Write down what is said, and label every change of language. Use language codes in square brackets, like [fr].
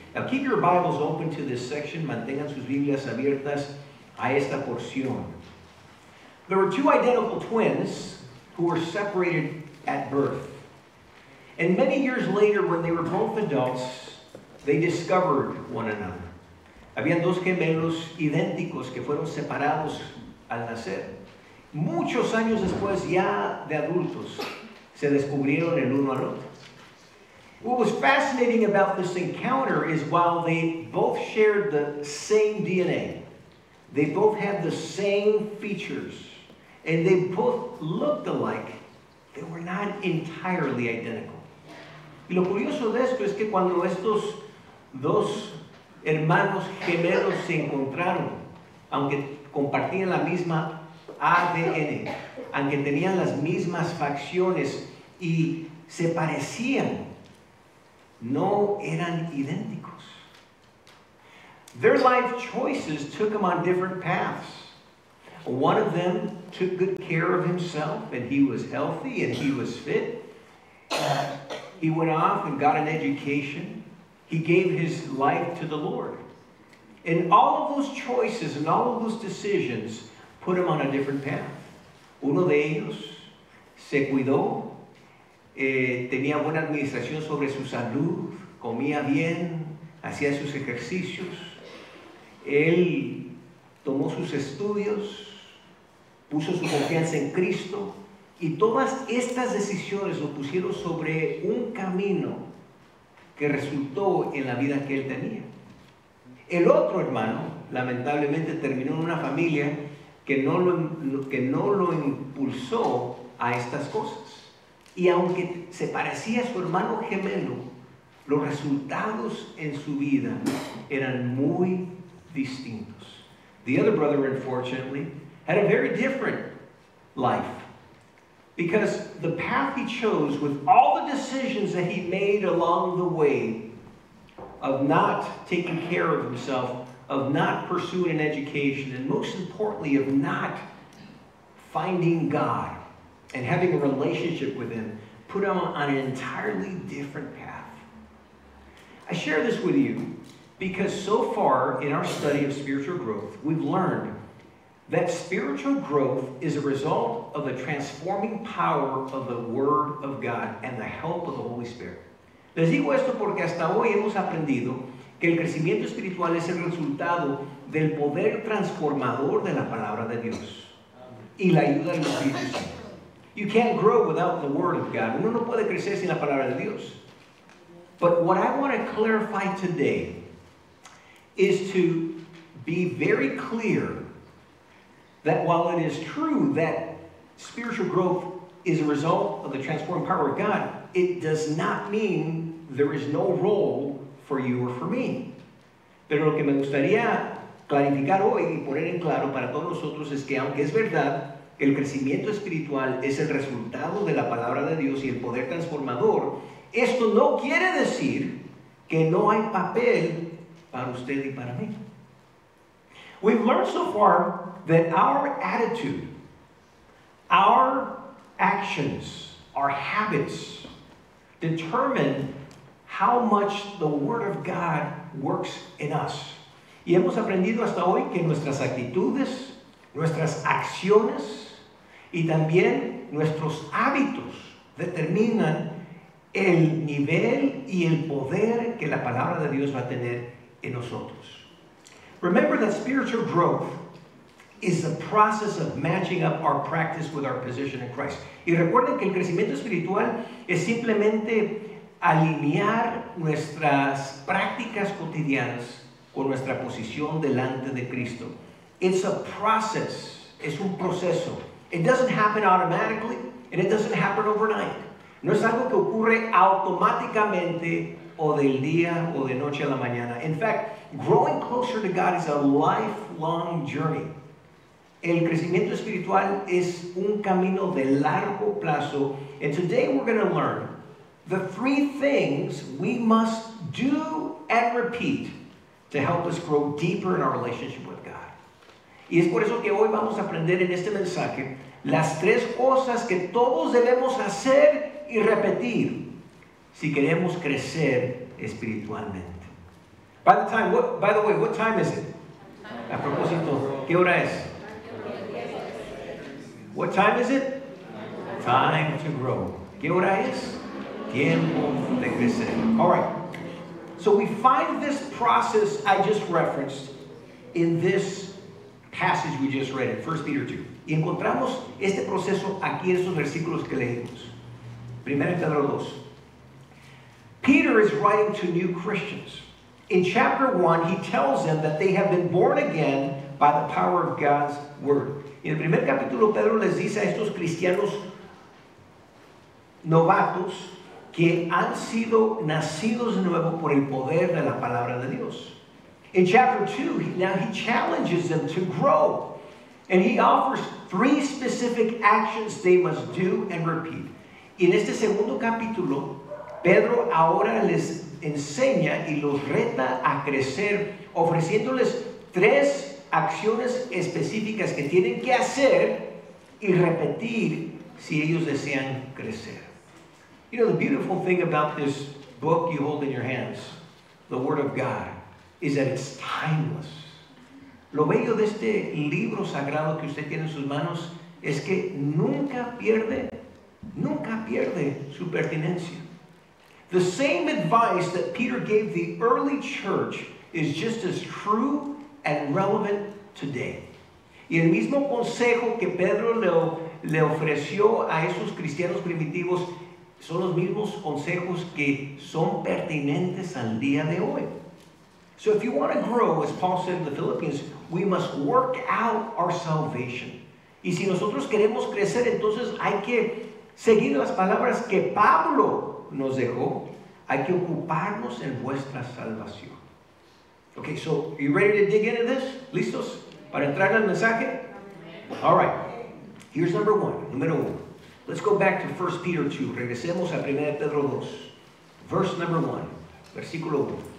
[en] Now keep your Bibles open to this section. [es] Mantengan sus Biblias abiertas a esta porción. [en] There were two identical twins who were separated at birth. And many years later, when they were both adults, they discovered one another. [es] Habían dos gemelos idénticos que fueron separados al nacer. Muchos años después, ya de adultos, se descubrieron el uno al otro. [en] What was fascinating about this encounter is while they both shared the same DNA, they both had the same features, and they both looked alike, they were not entirely identical. [es] Y lo curioso de esto es que cuando estos dos hermanos gemelos se encontraron, aunque compartían la misma ADN, aunque tenían las mismas facciones y se parecían, no eran idénticos. [en] Their life choices took them on different paths. One of them took good care of himself, and he was healthy and he was fit. He went off and got an education. He gave his life to the Lord. And all of those choices and all of those decisions put him on a different path. [es] Uno de ellos se cuidó, tenía buena administración sobre su salud, comía bien, hacía sus ejercicios. Él tomó sus estudios, puso su confianza en Cristo. Y todas estas decisiones lo pusieron sobre un camino que resultó en la vida que él tenía. El otro hermano, lamentablemente, terminó en una familia que no lo impulsó a estas cosas. Y aunque se parecía a su hermano gemelo, los resultados en su vida eran muy distintos. [en] The other brother, unfortunately, had a very different life. Because the path he chose, with all the decisions that he made along the way of not taking care of himself, of not pursuing an education, and most importantly, of not finding God and having a relationship with him, put him on an entirely different path. I share this with you because so far in our study of spiritual growth, we've learned that spiritual growth is a result of the transforming power of the Word of God and the help of the Holy Spirit. [es] Les digo esto porque hasta hoy hemos aprendido que el crecimiento espiritual es el resultado del poder transformador de la Palabra de Dios y la ayuda del Espíritu Santo. [en] You can't grow without the Word of God. [es] Uno no puede crecer sin la Palabra de Dios. [en] But what I want to clarify today is to be very clear that while it is true that spiritual growth is a result of the transforming power of God, it does not mean there is no role for you or for me. [es] Pero lo que me gustaría clarificar hoy y poner en claro para todos nosotros es que aunque es verdad El crecimiento espiritual es el resultado de la palabra de Dios y el poder transformador. Esto no quiere decir que no hay papel para usted y para mí. [en] We've learned so far that our attitude, our actions, our habits determine how much the Word of God works in us. [es] Y hemos aprendido hasta hoy que nuestras actitudes, nuestras acciones y también nuestros hábitos determinan el nivel y el poder que la palabra de Dios va a tener en nosotros. [en] Remember that spiritual growth is the process of matching up our practice with our position in Christ. [es] Y recuerden que el crecimiento espiritual es simplemente alinear nuestras prácticas cotidianas con nuestra posición delante de Cristo. [en] It's a process. [es] Es un proceso. [en] It doesn't happen automatically, and it doesn't happen overnight. [es] No es algo que ocurre automáticamente o del día o de noche a la mañana. [en] In fact, growing closer to God is a lifelong journey. [es] El crecimiento espiritual es un camino de largo plazo. [en] And today we're going to learn the three things we must do and repeat to help us grow deeper in our relationship with God. [es] Y es por eso que hoy vamos a aprender en este mensaje las tres cosas que todos debemos hacer y repetir si queremos crecer espiritualmente. [en] By the way, what time is it? [es] A propósito, ¿qué hora es? [en] What time is it? Time to grow. [es] ¿Qué hora es? Tiempo de crecer. [en] All right. So we find this process I just referenced in this passage we just read in 1 Peter 2. [es] Y encontramos este proceso aquí en esos versículos que leímos. [en] 1 Pedro 2. Peter is writing to new Christians. In chapter 1, he tells them that they have been born again by the power of God's word. [es] En el primer capítulo, Pedro les dice a estos cristianos novatos que han sido nacidos de nuevo por el poder de la palabra de Dios. [en] In chapter 2, now he challenges them to grow. And he offers three specific actions they must do and repeat. [es] Y en este segundo capítulo, Pedro ahora les enseña y los reta a crecer, ofreciéndoles tres acciones específicas que tienen que hacer y repetir si ellos desean crecer. [en] You know, the beautiful thing about this book you hold in your hands, the Word of God, is that it's timeless. [es] Lo bello de este libro sagrado que usted tiene en sus manos es que nunca pierde su pertinencia. [en] The same advice that Peter gave the early church is just as true and relevant today. [es] Y el mismo consejo que Pedro le ofreció a esos cristianos primitivos son los mismos consejos que son pertinentes al día de hoy. [en] So if you want to grow, as Paul said in the Philippians, we must work out our salvation. [es] Y si nosotros queremos crecer, entonces hay que seguir las palabras que Pablo nos dejó. Hay que ocuparnos en vuestra salvación. [en] Okay, so you ready to dig into this? [es] ¿Listos para entrar al mensaje? [en] All right. Here's number one. [es] Número uno. [en] Let's go back to 1 Peter 2. [es] Regresemos a 1 Pedro 2. [en] Verse number one. [es] Versículo 1.